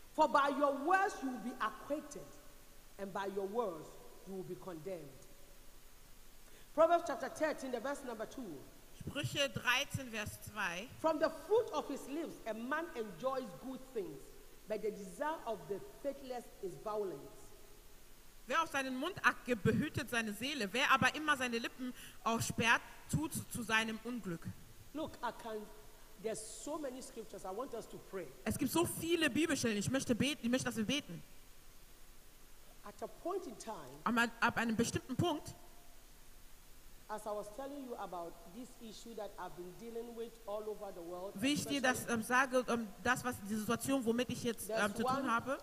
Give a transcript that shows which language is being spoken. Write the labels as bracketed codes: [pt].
[en] For by your words you will be acquitted, and by your words you will be condemned. Proverbs chapter 13, the verse number 2. [de] Sprüche 13, Vers 2. [en] From the fruit of his lips a man enjoys good things, but the desire of the faithless is violence. [de] Wer auf seinen Mund abgibt, behütet seine Seele. Wer aber immer seine Lippen aufsperrt, tut zu seinem Unglück. [en] Look, I can. There's so many scriptures. I want us to pray. [de] Es gibt so viele Bibelstellen. Ich möchte beten. Ich möchte, dass wir beten. [en] At a point in time, [de] ab einem bestimmten Punkt, [en] as I was telling you about this issue that I've been dealing with all over the world, [de] wie ich dir das sage, das was die Situation, womit ich jetzt zu tun habe,